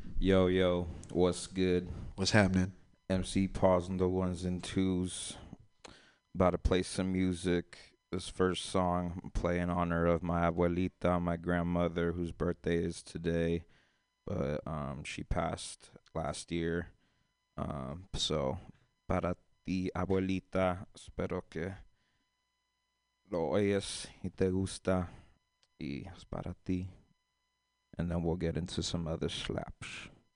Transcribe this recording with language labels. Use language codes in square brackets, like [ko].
[en] Yo, yo, what's good? What's happening? MC Paz on the ones and twos, about to play some music. This first song I'm playing in honor of my abuelita, my grandmother, whose birthday is today. But she passed last year. [es] So, para ti, abuelita, espero que lo oyes y te gusta. Y es para ti. [en] And then we'll get into some other slaps.